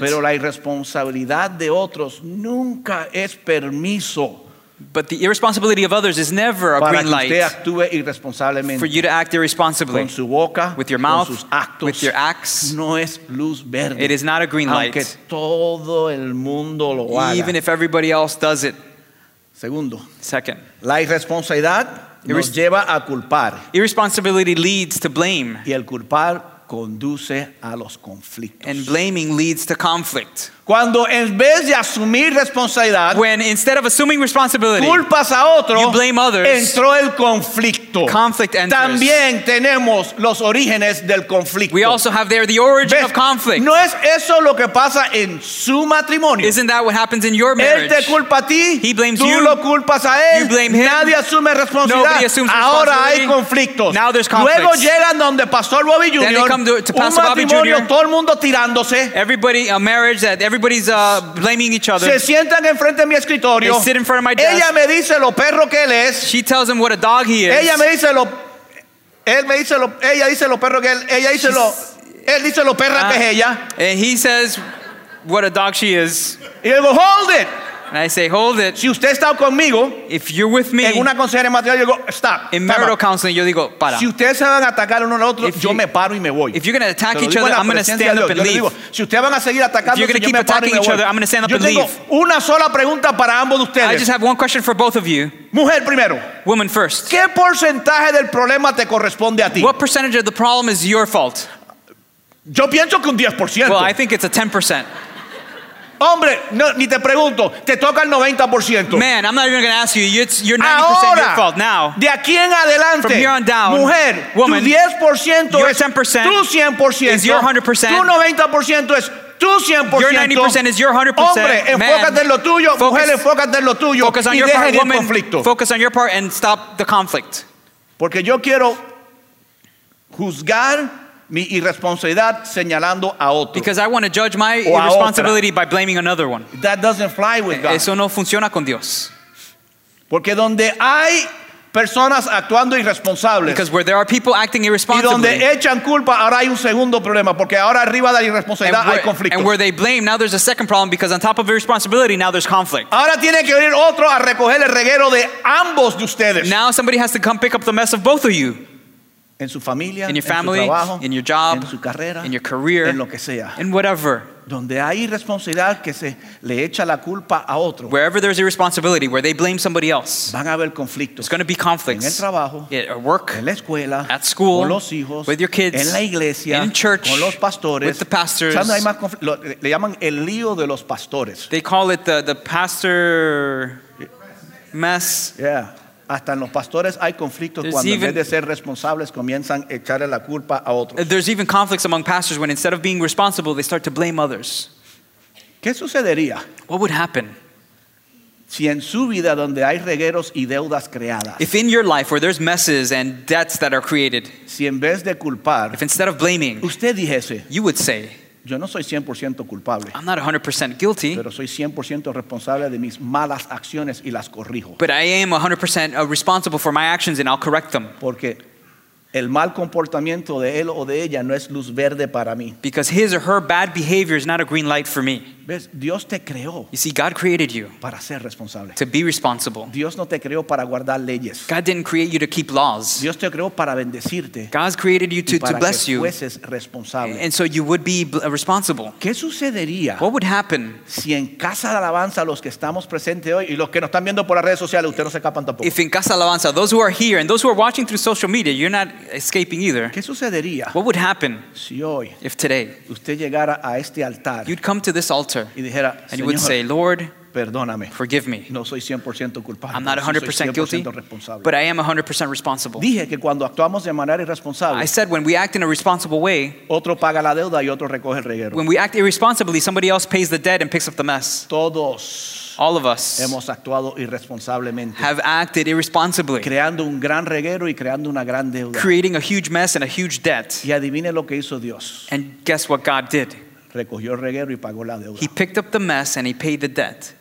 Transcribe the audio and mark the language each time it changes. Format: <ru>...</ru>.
<es>Pero la irresponsabilidad de otros nunca es permiso.</es> <en>But the irresponsibility of others is never a green light.</en> <es>Para que usted actúe irresponsablemente.</es> <en>For you to act irresponsibly.</en> <es>Con su boca.</es> <en>With your mouth.</en> <es>Con sus actos.</es> <en>With your acts.</en> <es>No es luz verde.</es> <en>It is not a green light.</en> <es>Aunque todo el mundo lo haga.</es> <en>Even if everybody else does it.</en> <es>Segundo.</es> <en>Second.</en> <es>La irresponsabilidad nos lleva a culpar.</es> <en>Irresponsibility leads to blame.</en> <es>Y el culpar conduce a los conflictos.</es> <en>And blaming leads to conflict.</en> <es>Cuando en vez de asumir responsabilidad,</es> <en>when instead of assuming responsibility,</en> <es>culpas a otro,</es> <en>you blame others,</en> <es>entró el conflicto.</es> <en>Conflict enters.</en> <es>También tenemos los orígenes del conflicto.</es> <en>We also have there the origin of conflict.</en> <es>¿No es eso lo que pasa en su matrimonio?</es> <en>Isn't that what happens in your marriage?</en> <es>Él te culpa a ti,</es> <en>he blames</en> <es>tú</es> <en>you,</en> <es>lo culpas a él.</es> <en>You blame him.</en> <es>Nadie asume responsabilidad.</es> <en>Nobody assumes</en> <es>ahora</es> <en>responsibility.</en> <es>Hay conflictos.</es> <en>Now there's conflicts.</en> <es>Luego llegan donde Pastor Bobby Jr.</es> <en>Then they come to Pastor</en> <es>un matrimonio,</es> <en>Bobby Jr.</en> <es>todo el mundo tirándose.</es> <en>Everybody, a marriage that everybody's blaming each other.</en> <es>Se sientan enfrente de mi escritorio.</es> <en>They sit in front of my desk.</en> <es>Ella me dice lo perro que él es.</es> <en>She tells him what a dog he is.</en> <es>Ella me dice lo. Él me dice lo. Ella dice lo perro que él. Ella dice lo. Él dice lo perra que es ella.</es> <en>And he says what a dog she is.</en> <es>Y él dice,</es> <en>hold it. And I say, hold it.</en> <es>Si usted está conmigo,</es> <en>if you're with me,</en> <es>en una consejería matrimonial, yo digo,</es> <en>stop. In marital counseling,</en> <es>yo digo, para. Si ustedes se van a atacar uno al otro, yo me paro y me voy.</es> <en>If you're going to attack each other, I'm going to stand up and leave.</en> <es>Si ustedes van a seguir atacando,</es> <en>if you're going to keep attacking each other, I'm going to stand up and leave.</en> <es>Yo tengo una sola pregunta para ambos de ustedes.</es> <en>I just have one question for both of you.</en> <es>Mujer primero.</es> <en>Woman first.</en> <es>¿Qué porcentaje del problema te corresponde a ti?</es> <en>What percentage of the problem is your fault?</en> <es>Yo pienso que un 10%.</es> <en>Well, I think it's a 10%.</en> <es>Hombre, no, ni te pregunto, te toca el 90%.</es> <en>Man, I'm not even going to ask you. You're 90%</en> <es>ahora,</es> <en>your fault now.</en> <es>De aquí en adelante,</es> <en>from here on down,</en> <es>mujer,</es> <en>woman,</en> <es>tu 10%</es> <en>your 10%</en> <es>es tu 100%.</es> <en>Is your 100%.</en> <es>Tu 90% es tu 100%.</es> <en>Your 90% is your 100%.</en> <es>Hombre, enfócate en lo tuyo,</es> <en>focus,</en> <es>mujer, enfócate en lo tuyo</es> <en>focus on</en> <es>y</es> <en>your</en> <es>deja</es> <en>part,</en> <es>el</es> <en>woman,</en> <es>conflicto.</es> <en>Focus on your part and stop the conflict.</en> <es>Porque yo quiero juzgar mi irresponsabilidad señalando a otro.</es> <en>Because I want to judge my irresponsibility by blaming another one. That doesn't fly with God.</en> <es>Eso no funciona con Dios. Porque donde hay personas actuando irresponsables.</es> <en>Because where there are people acting irresponsibly.</en> <es>Y donde echan culpa, ahora hay un segundo problema, porque ahora arriba de la irresponsabilidad hay conflicto.</es> <en>And where they blame, now there's a second problem because on top of irresponsibility, now there's conflict.</en> <es>Ahora tiene que venir otro a recoger el reguero de ambos de ustedes.</es> <en>Now somebody has to come pick up the mess of both of you.</en> <es>En su familia,</es> <en>in your family,</en> <es>en su trabajo,</es> <en>in your job,</en> <es>en su carrera,</es> <en>in your career,</en> <es>en lo que sea.</es> <en>In whatever.</en> <es>Donde hay irresponsabilidad que se le echa la culpa a otro.</es> <en>Wherever there's irresponsibility, where they blame somebody else.</en> <es>Van a haber conflictos.</es> <en>It's going to be conflicts.</en> <es>En el trabajo.</es> <en>At work.</en> <es>En la escuela.</es> <en>At school.</en> <es>Con los hijos.</es> <en>With your kids.</en> <es>En la iglesia.</es> <en>In church.</en> <es>Con los pastores.</es> <en>With the pastors.</en> <es>¿Sabes? Hay más conflictos. Le llaman el lío de los pastores.</es> <en>They call it the pastor mess.</en> <es>Yeah. Hasta en los pastores hay conflictos</es> <en>there's</en> <es>cuando</es> <en>even,</en> <es>en vez de ser responsables comienzan a echarle la culpa a otros.</es> <en>There's even conflicts among pastors when instead of being responsible they start to blame others.</en> <es>¿Qué sucedería?</es> <en>What would happen?</en> <es>Si en su vida donde hay regueros y deudas creadas.</es> <en>If in your life where there's messes and debts that are created.</en> <es>Si en vez de culpar.</es> <en>If instead of blaming.</en> <es>Usted dijese.</es> <en>You would say.</en> <es>Yo no soy 100% culpable.</es> <en>I'm not 100% guilty.</en> <es>Pero soy 100% responsable de mis malas acciones y las corrijo.</es> <en>But I am 100% responsible for my actions and I'll correct them.</en> <es>Porque el mal comportamiento de él o de ella no es luz verde para mí.</es> <en>Because his or her bad behavior is not a green light for me.</en> <es>¿Ves? Dios te creó.</es> <en>You see, God created you.</en> <es>Para ser responsable.</es> <en>To be responsible.</en> <es>Dios no te creó para guardar leyes.</es> <en>God didn't create you to keep laws.</en> <es>Dios te creó para bendecirte.</es> <en>God created you to bless you.</en> <es>Y para que fueses responsable.</es> <en>And so you would be responsible.</en> <es>¿Qué sucedería?</es> <en>What would happen?</en> <es>Si en Casa de Alabanza los que estamos presentes hoy y los que nos están viendo por las redes sociales, ustedes no se escapan tampoco.</es> <en>If in Casa de Alabanza, those who are here and those who are watching through social media, you're not escaping either.</en> <es>¿Qué sucedería?</es> <en>What would happen</en> <es>si hoy,</es> <en>if today</en> <es>usted llegara a este altar,</es> <en>you'd come to this altar</en> <es>y dijera,</es> <en>and</en> <es>Señor,</es> <en>you would say, Lord,</en> <es>perdóname,</es> <en>forgive me.</en> <es>No soy 100% culpable,</es> <en>I'm not 100% guilty, but I am 100% responsible.</en> <es>Dije que cuando actuamos de manera irresponsable,</es> <en>I said when we act in a responsible way,</en> <es>otro paga la deuda y otro recoge el reguero.</es> <en>When we act irresponsibly, somebody else pays the debt and picks up the mess.</en> <es>Todos.</es> <en>All of us</en> <es>hemos actuado irresponsablemente,</es> <en>have acted irresponsibly,</en> <es>creando un gran reguero y creando una gran deuda,</es> <en>creating a huge mess and a huge debt.</en> <es>Y adivine lo que hizo Dios.</es> <en>And guess what God did?</en> <es>Recogió el reguero y pagó la deuda.</es> <en>He picked up the mess and he paid the debt.</en>